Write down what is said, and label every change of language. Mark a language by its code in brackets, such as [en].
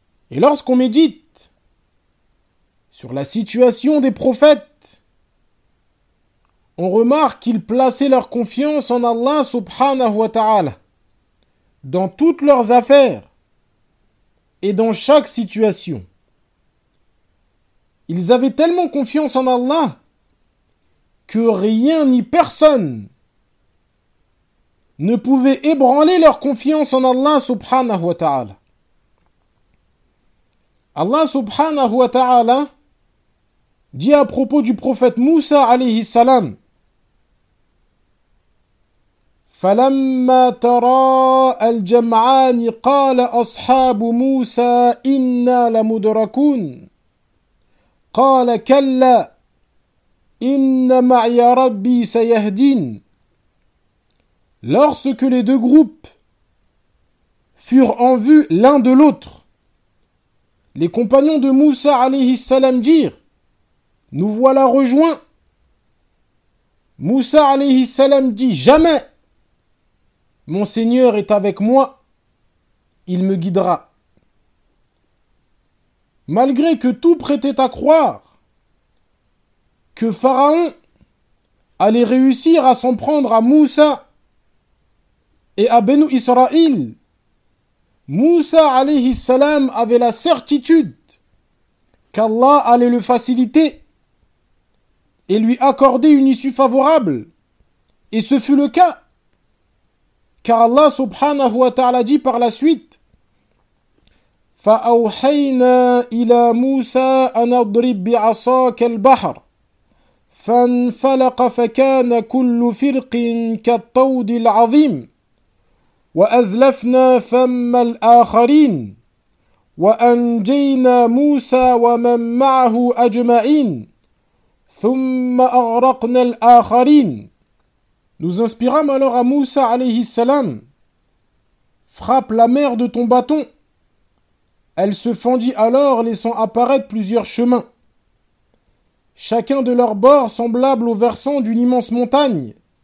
[fr] Et lorsqu'on médite sur la situation des prophètes, on remarque qu'ils plaçaient leur confiance en Allah subhanahu wa ta'ala dans toutes leurs affaires et dans chaque situation. Ils avaient tellement confiance en Allah que rien ni personne ne pouvait ébranler leur confiance en Allah subhanahu wa ta'ala. Allah subhanahu wa ta'ala dit à propos du prophète Moussa alayhi salam: [ar] فَلَمَّا تَرَاءَ الْجَمْعَانِ قَالَ أَصْحَابُ مُوسَى إِنَّا لَمُدْرَكُونَ قَالَ كَلَّا إِنَّ مَعْيَ رَبِّي سَيَهْدِينَ. [fr] Lorsque les deux groupes furent en vue l'un de l'autre, les compagnons de Moussa alayhi salam dirent: nous voilà rejoints. Moussa alayhi salam dit: jamais, mon Seigneur est avec moi, il me guidera. Malgré que tout prêtait à croire que Pharaon allait réussir à s'en prendre à Moussa et à Benou Israël, Moussa alayhi salam avait la certitude qu'Allah allait le faciliter et lui accorder une issue favorable. Et ce fut le cas, car Allah subhanahu wa ta'ala dit par la suite: [ar] فَأَوْحَيْنَا إِلَى مُوسَىٰ أَنَضْرِبْ بِعَصَاكَ الْبَحْرَ فَانْفَلَقَ فَكَانَ كُلُّ فِرْقٍ كَالطَّوْدِ الْعَظِيمِ وَأَزْلَفْنَا ثَمَّ الْآخَرِينَ وَأَنْجَيْنَا مُوسَى وَمَنْ مَعَهُ أَجْمَعِينَ ثُمَّ أَغْرَقْنَا الْآخَرِينَ. [fr] Nous inspirâmes alors à Moussa alayhi salam: frappe la mer de ton bâton. Elle se fendit alors, laissant apparaître plusieurs chemins, chacun de leurs bords semblable au versant d'une immense montagne.